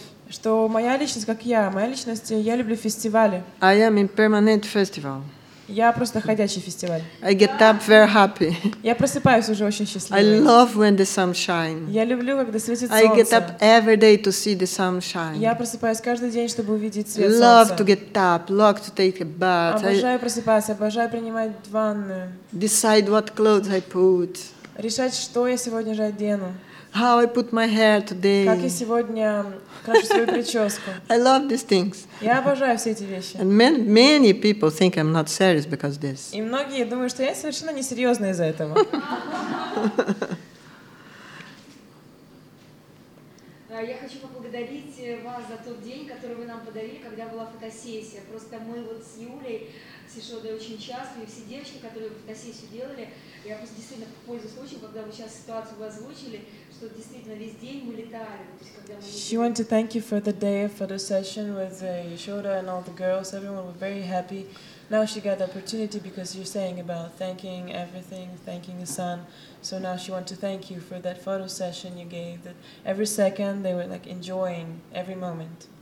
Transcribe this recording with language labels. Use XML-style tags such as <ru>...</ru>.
<ru>Что моя личность, как я, моя личность, я люблю фестивали.</ru> <en>I am in permanent festival.</en> <ru>Я просто ходячий фестиваль.</ru> <en>I get up very happy.</en> <ru>Я просыпаюсь уже очень счастливой.</ru> <en>I love when the sun shines.</en> <ru>Я люблю, когда светит солнце.</ru> <en>I get up every day to see the sun shine.</en> <ru>Я просыпаюсь каждый день, чтобы увидеть свет</ru> <en>солнца. Love to get up, love to take a bath.</en> <ru>Обожаю просыпаться, обожаю принимать ванны.</ru> <en>Decide what clothes I put.</en> <ru>Решать, что я сегодня же одену.</ru> <en>How I put my hair today.</en> <ru>Как я сегодня крашу свою прическу.</ru> <en>I love these things.</en> <ru>Я обожаю все эти вещи.</ru> <en>And many people think I'm not serious because of this.</en> <ru>И многие думают, что я совершенно не серьезная из-за этого. Я хочу поблагодарить вас за тот день, который вы нам подарили, когда была фотосессия. Просто мы вот с Юлей, с Ишодой очень часто, и все девочки, которые фотосессию делали, я просто действительно пользуюсь случаем, когда вы сейчас ситуацию озвучили, что действительно весь день мы летали.</ru> <en>She wanted to thank you for the day, for the session with Ishoda and all the girls. Everyone was very happy. now she got the opportunity because you're saying about thanking everything, thanking the sun. So now she wants to thank you for that photo session you gave, that every second they were like enjoying every moment.</en>